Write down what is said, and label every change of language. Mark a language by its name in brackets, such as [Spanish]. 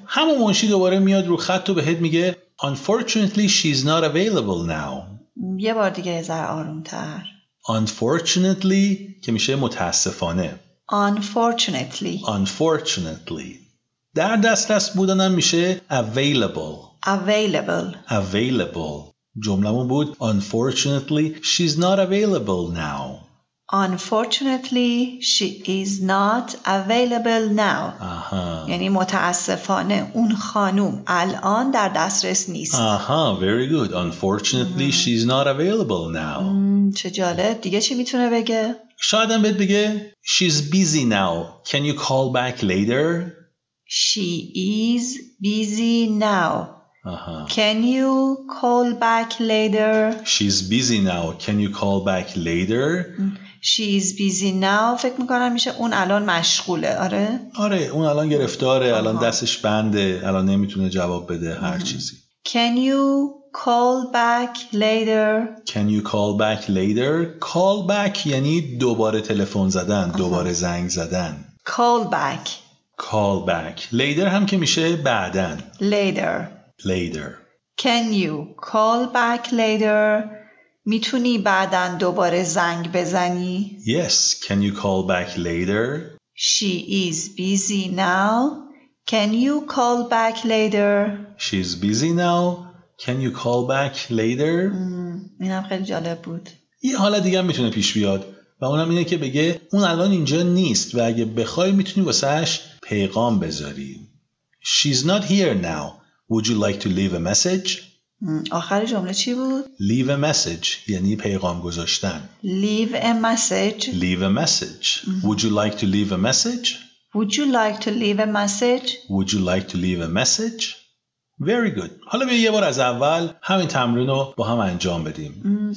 [Persian] همون منشی دوباره میاد رو خط و بهت میگه [English] Unfortunately she's not available now. [Persian] یه بار دیگه یه ذره آروم‌تر. Unfortunately که میشه متاسفانه. [English] Unfortunately. Unfortunately. [Persian] در دسترس بودنم میشه available. [English] Available. Available. [Persian] جمله‌مون بود [English] Unfortunately she's not available now. Unfortunately she is not available now. [Persian] آها. یعنی متاسفانه اون خانم الان در دسترس نیست. [English] آها، very good. Unfortunately she is not available now. [Persian] چه جالب. دیگه چی میتونه بگه؟ شاید هم بهت بگه [English] she is busy now. Can you call back later? She is busy now. Can you call back later? She's busy now. Can you call back later? She's busy now. [Persian] فکر میکنم میشه اون الان مشغوله. آره؟ آره. اون الان گرفتاره. الان دستش بنده. الان نمیتونه جواب بده. هر چیزی. [English] Can you call back later? Can you call back later? [Persian] Call back یعنی دوباره تلفن زدن. دوباره زنگ زدن. [English] Call back. Call back. [Persian] Later هم که میشه بعدن. [English] Later. Later. Can you call back later? [Persian] میتونی بعدن دوباره زنگ بزنی؟ [English] Yes, can you call back later? She is busy now. Can you call back later? She is busy now. Can you call back later? [Persian] اینم خیلی جالب بود. یه حالا دیگه میتونه پیش بیاد و اونم اینه که بگه اون الان اینجا نیست و اگه بخوای میتونی واسهش پیغام بذاری. [English] She's not here now. Would you like to leave a message? [Persian] آخر جمله چی بود؟ [English] Leave a message [Persian] یعنی پیغام گذاشتن. [English] Leave a message. Leave a message. Would you like to leave a message? Would you like to leave a message? Would you like to leave a message? Very good. [Persian] حالا بیا یه بار از اول همین تمرین رو با هم انجام بدیم.